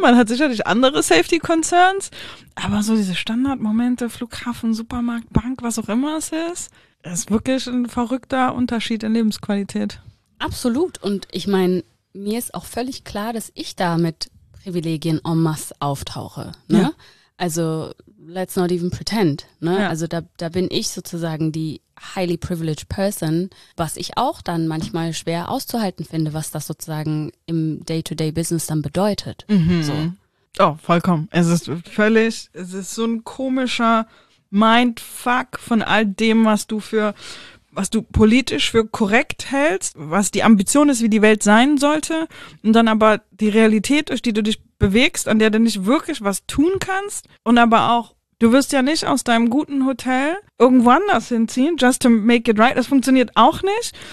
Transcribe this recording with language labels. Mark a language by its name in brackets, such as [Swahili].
[German] Man hat sicherlich andere Safety-Concerns. Aber so diese Standardmomente, Flughafen, Supermarkt, Bank, was auch immer es ist, ist wirklich ein verrückter Unterschied in Lebensqualität. Absolut. Und ich meine, mir ist auch völlig klar, dass ich da mit Privilegien en masse auftauche. Ne? Ja. [English] Also let's not even pretend. [German] Ne? Ja. Also da bin ich sozusagen die [English] highly privileged person, [German] was ich auch dann manchmal schwer auszuhalten finde, was das sozusagen im Day-to-Day-Business dann bedeutet. Mhm. So. Oh, vollkommen. Es ist so ein komischer Mindfuck von all dem, was du politisch für korrekt hältst, was die Ambition ist, wie die Welt sein sollte, und dann aber die Realität, durch die du dich bewegst, an der du nicht wirklich was tun kannst, und aber auch, du wirst ja nicht aus deinem guten Hotel irgendwo anders hinziehen, [English] just to make it right. [German] Das funktioniert auch nicht.